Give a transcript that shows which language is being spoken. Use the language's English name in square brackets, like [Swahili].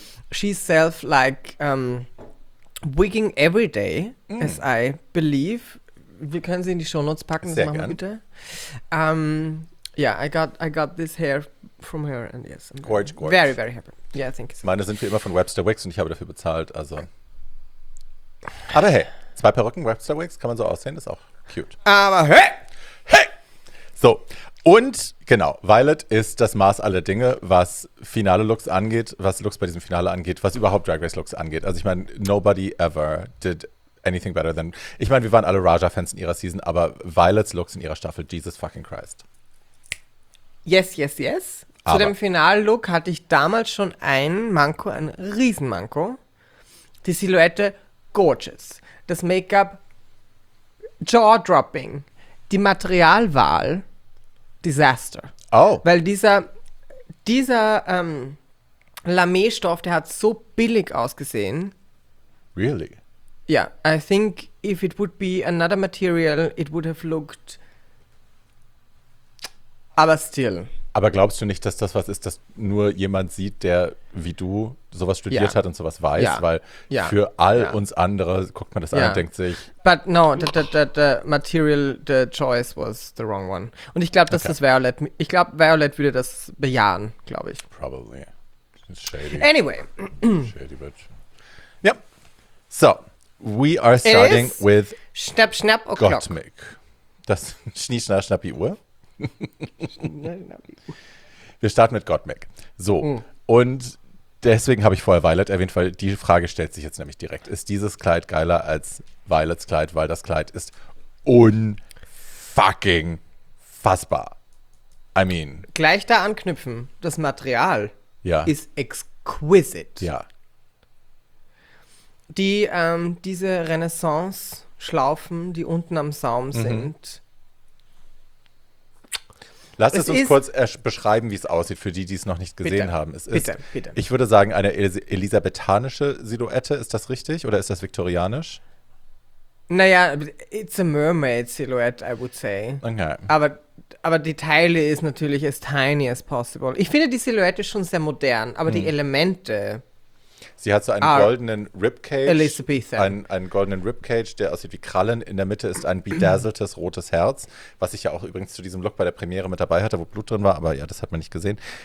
[English] She's self, like, wigging every day, as I believe. [German] Wir können sie in die Shownotes packen. Sehr das machen gern. Wir bitte. [English] I got this hair from her. And yes, I'm gorge, gorge. Very, very happy. Yeah, thank you so [German] meine [English] much. [German] Sind wie immer von Webster Wicks und ich habe dafür bezahlt, also... Aber hey, zwei Perücken, Webster Wigs, kann man so aussehen, ist auch cute. Aber hey! Hey! So, und genau, Violet ist das Maß aller Dinge, was Finale-Looks angeht, was Looks bei diesem Finale angeht, was überhaupt Drag Race-Looks angeht. Also ich meine, [English] nobody ever did anything better than... [German] Ich meine, wir waren alle Raja-Fans in ihrer Season, aber Violets Looks in ihrer Staffel, [English] Jesus fucking Christ. Yes, yes, yes. [German] Aber. Zu dem Final-Look hatte ich damals schon ein Manko, ein Riesenmanko. Die Silhouette... Gorgeous. Das Make-up, jaw-dropping. Die Materialwahl, Disaster. Oh. Weil dieser Lamé-Stoff, der hat so billig ausgesehen. [English] Really? Yeah, I think if it would be another material, it would have looked... [German] Aber still. Aber glaubst du nicht, dass das was ist, das nur jemand sieht, der wie du sowas studiert hat und sowas weiß? Yeah. Weil für all uns andere guckt man das an und denkt sich... [English] But no, the material, the choice was the wrong one. [German] Und ich glaube, dass das Violet... Ich glaube, Violet würde das bejahen, glaube ich. [English] Probably. It's shady. Anyway. Shady bitch. Yep. So, we are starting with... [German] Schnapp, schnapp, o'clock. Gottmik. Das Schnieschnall, Schnappi, Uhr. Wir starten mit Gottmik. So, und deswegen habe ich vorher Violet erwähnt, weil die Frage stellt sich jetzt nämlich direkt. Ist dieses Kleid geiler als Violets Kleid, weil das Kleid ist unfucking fassbar. [English] I mean. [German] Gleich da anknüpfen, das Material ist exquisite. Ja. Die, diese Renaissance-Schlaufen, die unten am Saum sind, lass es uns kurz beschreiben, wie es aussieht, für die, die es noch nicht gesehen haben. Es ist, ich würde sagen, eine elisabethanische Silhouette. Ist das richtig oder ist das viktorianisch? [English] Naja, it's a mermaid silhouette, I would say. Okay. [German] Aber die Teile ist natürlich [English] as tiny as possible. [German] Ich finde die Silhouette schon sehr modern, aber die Elemente... Sie hat so einen goldenen Ribcage. Elizabethan. Einen goldenen Ribcage, der aussieht wie Krallen. In der Mitte ist ein bedazzeltes rotes Herz, was ich ja auch übrigens zu diesem Look bei der Premiere mit dabei hatte, wo Blut drin war, aber ja, das hat man nicht gesehen.